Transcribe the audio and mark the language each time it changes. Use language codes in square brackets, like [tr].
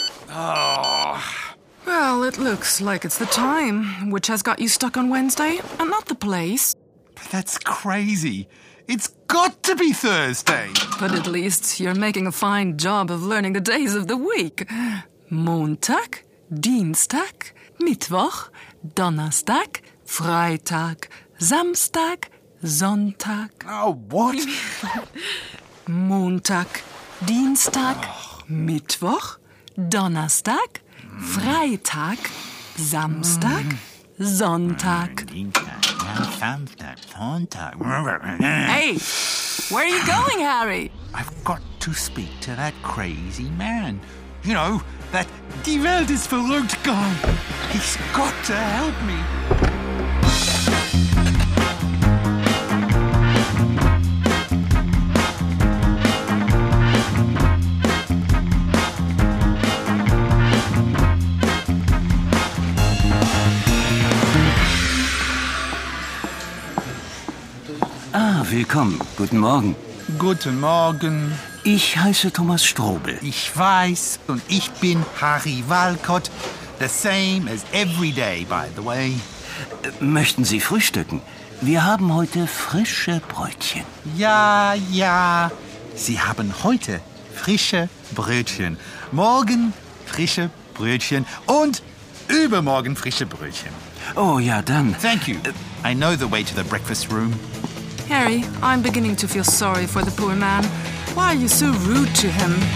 [en] Oh. Well, it looks like it's the time, which has got you stuck on Wednesday, and not the place. But that's crazy. It's got to be Thursday. But at least you're making a fine job of learning the days of the week. [de] Montag, Dienstag, Mittwoch, Donnerstag, Freitag, Samstag, Sonntag. Oh, what? Montag, Dienstag, Mittwoch, Donnerstag, Freitag, Samstag, Sonntag. Samstag, Sonntag. [en] Hey, where are you going, Harry? I've got to speak to that crazy man. You know, that [de] Die Welt ist verrückt guy. [en] He's got to help me. [de] Willkommen. Guten Morgen. Guten Morgen. Ich heiße Thomas Strobel. Ich weiß. Und ich bin Harry Walcott. [en] The same as every day, by the way. [de] Möchten Sie frühstücken? Wir haben heute frische Brötchen. Ja, ja. Sie haben heute frische Brötchen. Morgen frische Brötchen. Und übermorgen frische Brötchen. Oh ja, dann. [en] Thank you. I know the way to the breakfast room. Harry, I'm beginning to feel sorry for the poor man. Why are you so rude to him?